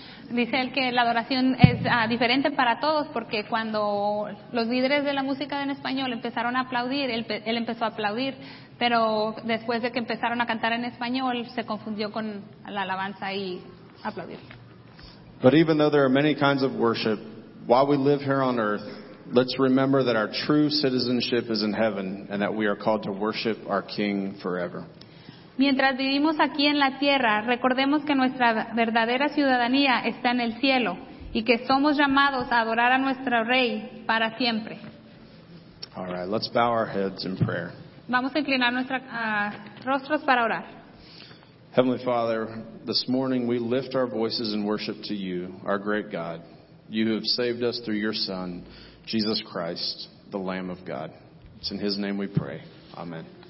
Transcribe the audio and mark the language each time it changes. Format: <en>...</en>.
<es>Dice él que la adoración es diferente para todos, porque cuando los líderes de la música en español empezaron a aplaudir, él empezó a aplaudir, pero después de que empezaron a cantar en español, se confundió con la alabanza y aplaudir.</es> <en>But even though there are many kinds of worship, while we live here on earth, let's remember that our true citizenship is in heaven and that we are called to worship our King forever.</en> <es>Mientras vivimos aquí en la tierra, recordemos que nuestra verdadera ciudadanía está en el cielo y que somos llamados a adorar a nuestro Rey para siempre.</es> <en>All right, let's bow our heads in prayer.</en> <es>Vamos a inclinar nuestros rostros para orar.</es> <en>Heavenly Father, this morning we lift our voices in worship to you, our great God. You who have saved us through your Son, Jesus Christ, the Lamb of God. It's in His name we pray. Amen.</en>